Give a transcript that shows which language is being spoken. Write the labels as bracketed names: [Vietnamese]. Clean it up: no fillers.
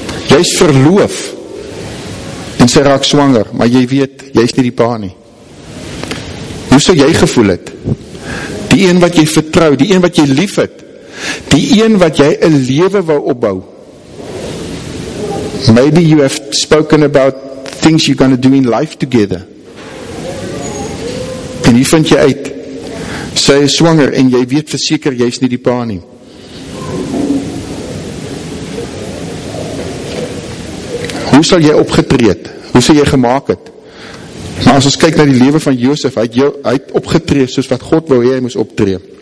[Afrikaans] Jy is verloof, en sy raak swanger, maar jy weet, jy is nie die pa nie. Hoe sou jy gevoel het? Die een wat jy vertrou, die een wat jy lief het, die een wat jy 'n lewe wou opbou. [English] Maybe you have spoken about things you're going to do in life together. [Afrikaans] En hier vind jy uit, sy is swanger en jy weet verseker jy is nie die pa nie. Hoe sal jy opgetreed? Hoe sal jy gemaak het? Maar as ons kyk na die lewe van Josef, hy het opgetree soos wat God wou hê hy moes optree.